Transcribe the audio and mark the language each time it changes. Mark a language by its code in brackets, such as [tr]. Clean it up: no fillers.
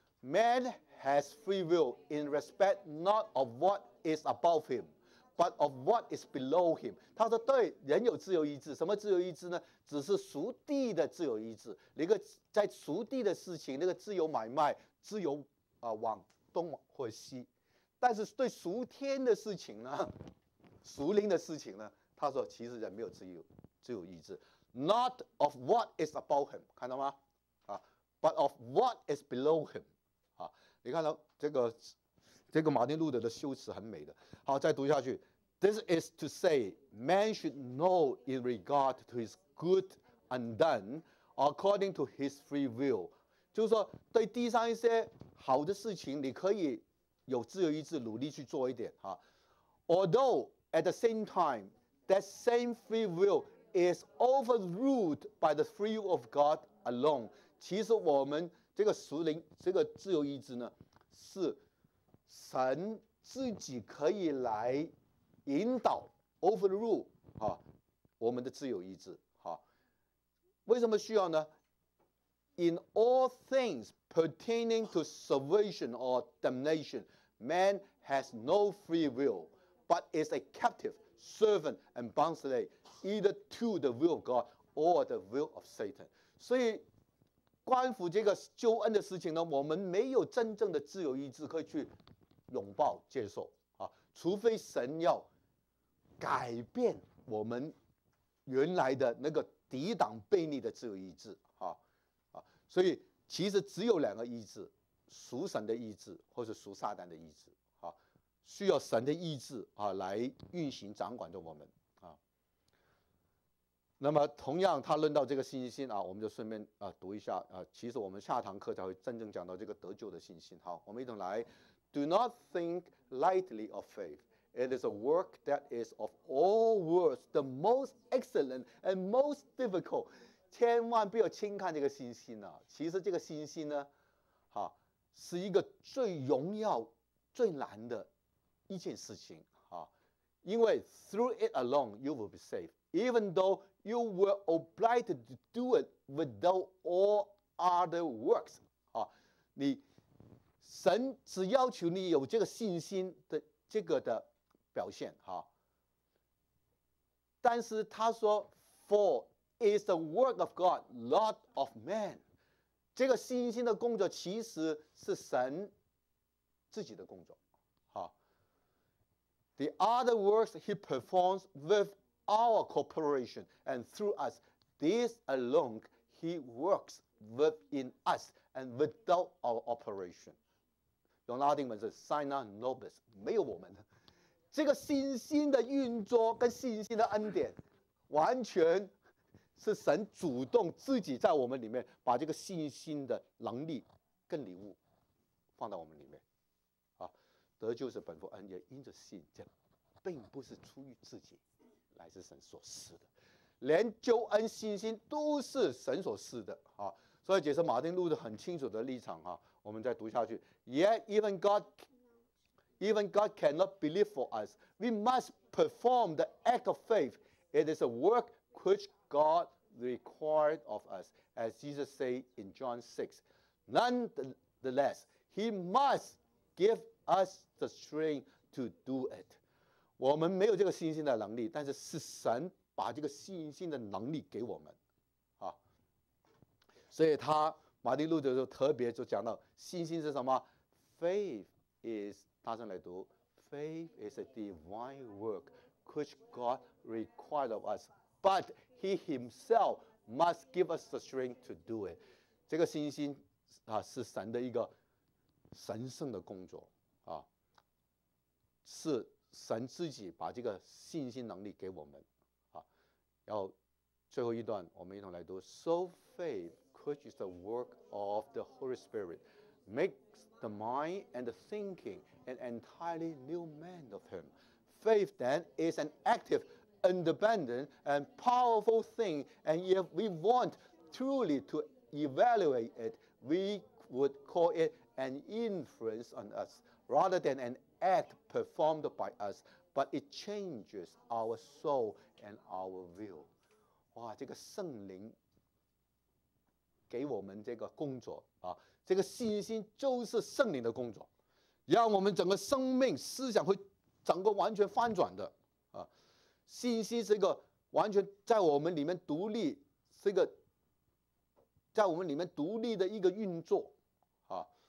[en] Man has free will in respect not of what is above him, but of what is below him. [zh] 他说对，人有自由意志，什么自由意志呢？只是属地的自由意志。那个在属地的事情，那个自由买卖，自由往东或西。但是对属天的事情呢，属灵的事情呢，他说其实人没有自由意志。 [en] Not of what is above him， [zh] 看到吗？ [en] But of what is below him。 [zh] 啊，你看到这个马丁路德的修辞很美的。好，再读下去。 [en] This is to say, man should know in regard to his good undone, according to his free will。 [zh] 就是说，对地上一些好的事情，你可以有自由意志，努力去做一点啊。 [en] Although at the same time, that same free will is overruled by the free will of God alone。 [zh] 其实我们。这个属灵，这个自由意志呢，是神自己可以来引导 overrule 啊，我们的自由意志哈、啊。为什么需要呢？ [en] In all things pertaining to salvation or damnation, man has no free will, but is a captive, servant, and bound slave either to the will of God or the will of Satan。 [zh] 所以关乎这个救恩的事情呢，我们没有真正的自由意志可以去拥抱接受啊，除非神要改变我们原来的那个抵挡悖逆的自由意志啊。所以其实只有两个意志，属神的意志或是属撒旦的意志啊，需要神的意志啊来运行掌管着我们啊。那么同样他论到这个信心啊，我们就顺便读一下啊，其实我们下堂课才会真正讲到这个得救的信心。好，我们一同来。 [en] Do not think lightly of faith. It is a work that is of all works the most excellent and most difficult. [zh] 千万不要轻看这个信心啊，其实这个信心呢是一个最荣耀最难的一件事情啊，因为 [en] through it alone you will be saved. Even though you were obliged to do it without all other works, [zh] 啊，你神只要求你有这个信心的这个的表现，啊，但是他说 [en] ，For is the work of God, not of man. [zh] 这个信心的工作其实是神自己的工作，啊。 [en] The other works he performs withOur cooperation and through us, this alone he works within us and without our operation. [zh] 用拉丁文是 [la] sine nobis， [zh] 没有我们的这个信心的运作跟信心的恩典，完全是神主动自己在我们里面把这个信心的能力跟礼物放到我们里面。啊，得救是本乎恩，也因着信，这并不是出于自己。乃是神所赐的，连救恩信心都是神所赐的啊！所以解释马丁路德很清楚的立场啊。我们再读下去 [en] ：Yet even God cannot believe for us. We must perform the act of faith. It is a work which God required of us, as Jesus said in John 6. Nonetheless, He must give us the strength to do it. [zh] 我们没有这个信心的能力，但是是神把这个信心的能力给我们，啊，所以他马丁路德就特别就讲到信心是什么 ？Faith [en] is [zh] 大声来读 [en] ，Faith is a divine work which God required of us, but He Himself must give us the strength to do it. [zh] 这个信心啊，是神的一个神圣的工作啊，是神自己把这个信心能力给我们啊。然后最后一段，我们一同来读 [en] ：So faith, which is the work of the Holy Spirit. Makes the mind and the thinking an entirely new man of him. Faith then is an active, independent, and powerful thing. And if we want truly to evaluate it, we would call it an influence on us rather than an act performed by us. But it changes our soul and our will. [zh] 哇，这个圣灵给我们这个工作啊，这个信心就是圣灵的工作，让我们整个生命思想会整个完全翻转的啊。信心是一个完全在我们里面独立，是一个在我们里面独立的一个运作啊。